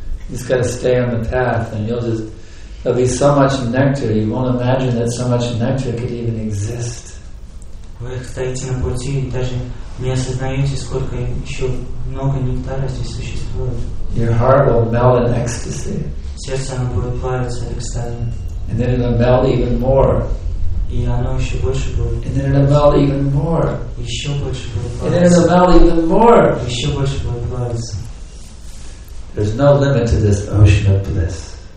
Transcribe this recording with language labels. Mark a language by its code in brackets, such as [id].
[en] Just gotta stay on the path, and there'll be so much nectar. You won't imagine that so much nectar could even exist. [ru] Вы стоите на пути, даже не осознаете, сколько еще много нектара здесь существует. [en] Your heart will melt in ecstasy. [ru] Сердце оно будет плавиться в экстазе. [en] And then it'll melt even more. [ru] И оно еще больше будет. [en] And then it'll melt even more. [ru] Еще больше будет плавиться. [en] And then it'll melt even more. [ru] Еще больше будет плавиться. [en] There's no limit to this ocean of bliss.